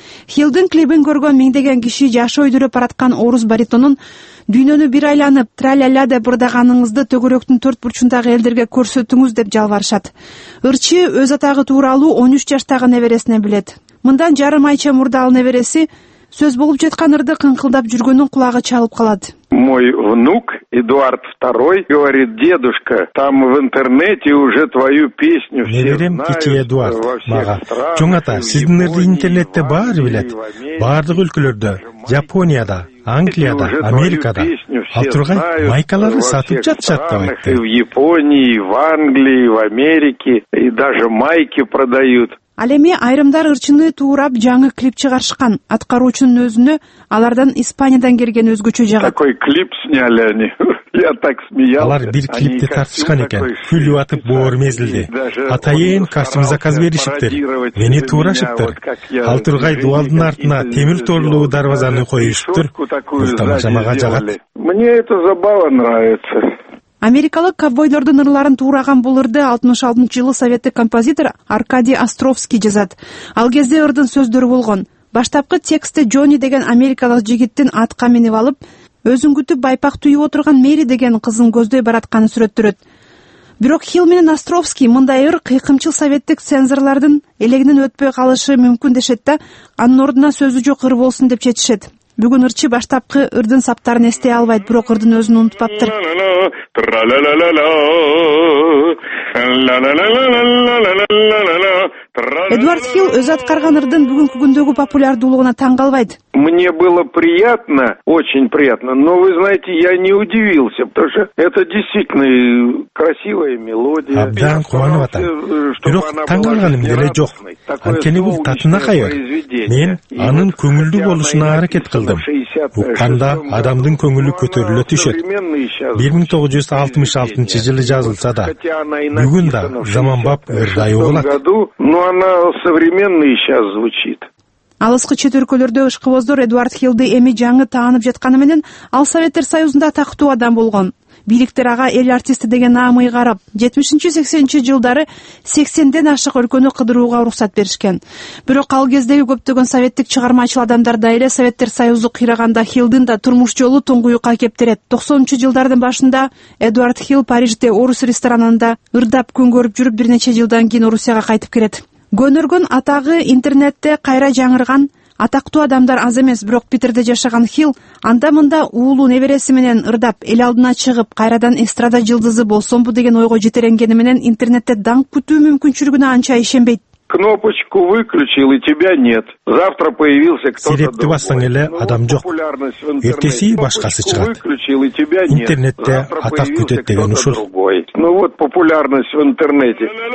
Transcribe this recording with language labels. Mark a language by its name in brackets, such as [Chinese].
[Kyrgyz] Хилдин клибин көргөн миңдеген киши жашы ойдуруп бараткан орус баритонун дүйнөнү бир айланып тра-ля-ля деп бурдаганыңызды төгөрөктүн төрт бурчундагы элдерге көрсөтүңүз деп жалбарышат. Ырчы өз атагы тууралуу 13 жаштагы небересине билет. Мындан жарым айча мурда ал небереси сөз болуп жаткан ырды кыңкылдап жүргөнүн кулагы чалып калат. [Russian] Мой внук Эдуард II говорит: дедушка, там в интернете уже твою песню все знают. [Kyrgyz] Неберем кичи Эдуард мага: чоң ата, сиздин ырды интернетте баары билет. Баардык өлкөлөрдө, Японияда, Англияда, Америкада ал турган майкаларды сатып жатышат деп айтты. [Russian] В Японии, в Англии, в Америке и даже майки продают. [Kyrgyz] Ал эми айрымдар ырчыны туурап жаңы клип чыгарышкан. Аткаруучунун өзүнө алардан Испаниядан келген өзгөчө жагат. [Russian] Такой клип сняли они. Я так смеялся. [Kyrgyz] Алар бир клипти тартышкан экен. Күлүп атып боорум эзилди. Атайын костюм заказ беришиптир. Мени туурашыптыр. Ал тургай дубалдын артына темир торлуу дарбазаны коюшуптур. Бул тамаша мага жагат. [Russian] Мне эта забава нравится. [Kyrgyz] Америкалык ковбойлордун ырларын туураган бул ырды 66-жылы советтик композитор Аркадий Островский жазат. Ал кезде ырдын сөздөрү болгон. Баштапкы текстте Джонни деген америкалык жигиттин атка минип алып, өзүн күтүп байпак түйүп отурган Мэри деген кызын көздөй баратканы сүрөттөрөт. Бирок Хилл менен Островский мындай ыр кыйкымчыл советтик цензорлордун элегинен өтпөй калышы мүмкүн дешет да, анын ордуна сөзү жок ыр болсун деп чечишет. Бүгүн ырчы баштапкы ырдын саптарын эстей албайт, бирок ырдын өзүн унутпаптыр. Эдуард Хилл өз аткарган ырдын бүгүнкү күндөгү популярдуулугуна таң калбайт. [Russian] Мне было приятно, очень приятно, но вы знаете, я не удивился, потому что это действительно красивая мелодия. [Kyrgyz] Абдан кубанып атам. Бирок таң калганым деле жок. Анткени бул татынакай ыр. Мен анын көңүлдүү болушуна аракет кылдым. Укканда адамдын көңүлү көтөрүлө түшөт. 1966-жылы жазылса да, бүгүн да заманбап ырдай угулат. [Russian] Но она современный сейчас звучит. [Kyrgyz] Алыскы чет өлкөлөрдө ышкыбоздор Эдуард Хиллди эми жаңы таанып жатканы менен ал Советтер Союзунда тактуу адам болгон. Бийликтер ага эл артисти деген наам ыйгарып, 70-80 жылдары 80 ашык өлкөнү кыдырууга уруксат беришкен. Бирок ал кездеги көптөгөн советтик чыгармачыл адамдар да эле Советтер Союзу кыйраганда Хиллдин да турмуш жолу туңгуюкка кеп тирет. 90-жылдардын башында Эдуард Хилл Парижде орус ресторанында ырдап күн көрүп жүрүп, бир нече жылдан кийин Орусияга кайтып келет. Көнөргөн атагы интернетте кайра жаңырган атактуу адамдар аз эмес, бирок Питерде жашаган Хилл анда мында уулуу небереси менен ырдап эл алдына чыгып кайрадан эстрада жылдызы болсомбу деген ойго жетеренгени менен интернетте даңк күтүү мүмкүнчүлүгүнө анча ишенбейт. [Russian] Кнопочку выключил и тебя нет. Завтра появился кто-то. [Kyrgyz] Серепти бассаң эле адам жок. Эртеси башкасы чыгат. Интернетте атак күтөт деген ушул. [Russian] Ну вот популярность в интернете.